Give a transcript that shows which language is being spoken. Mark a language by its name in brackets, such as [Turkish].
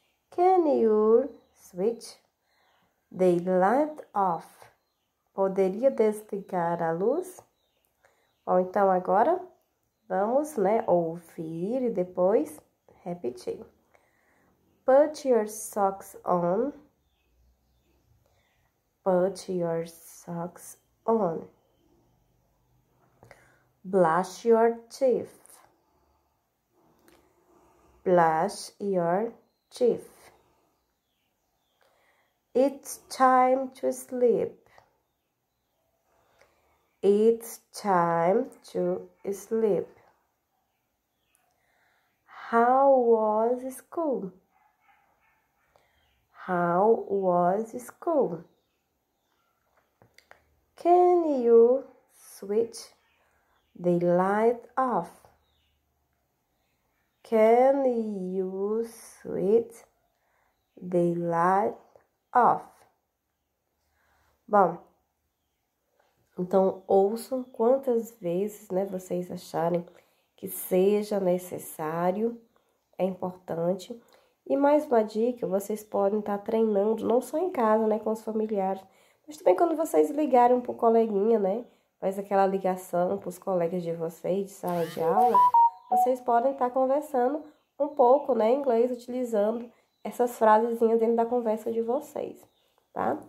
[English] Can you switch the light off? [Portuguese] Poderia desligar a luz? Bom, então agora vamos, né, ouvir e depois repetir. [English] Put your socks on. Put your socks on. Brush your teeth. Brush your teeth. It's time to sleep. It's time to sleep. How was school? How was school? Can you switch the light off? Can you switch the light off? [Portuguese] Bom, então ouçam quantas vezes, né, vocês acharem que seja necessário, é importante. E mais uma dica, vocês podem estar treinando, não só em casa, né, com os familiares, mas também quando vocês ligarem para o coleguinha, né, faz aquela ligação para os colegas de vocês, de sala de aula, vocês podem estar conversando um pouco, né, em inglês, utilizando essas frasezinhas dentro da conversa de vocês, tá?